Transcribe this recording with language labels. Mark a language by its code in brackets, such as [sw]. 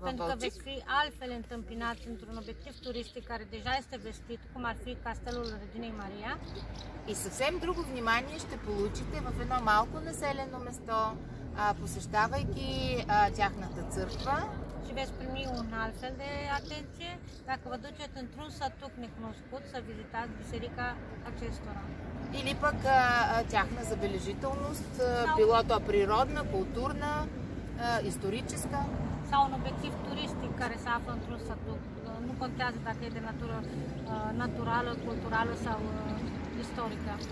[ro] Pentru că veți fi altfel întâmpinați într-un obiectiv turistic care deja este vestit, cum ar fi Castelul Reginei Maria. [bg] И съвсем друго внимание ще получите в едно малко населено место, посещавайки тяхната църква. [ro] Și veți primi un altfel de atenție dacă vă duceți într-un satuc necunoscut să vizitați biserica acestora. [bg] Или пък тяхна забележителност, било то природна, културна, историческа. [ro] Sau un obiectiv turistic care se află într-un satuc. Nu contează dacă e de natură naturală, culturală sau istorică.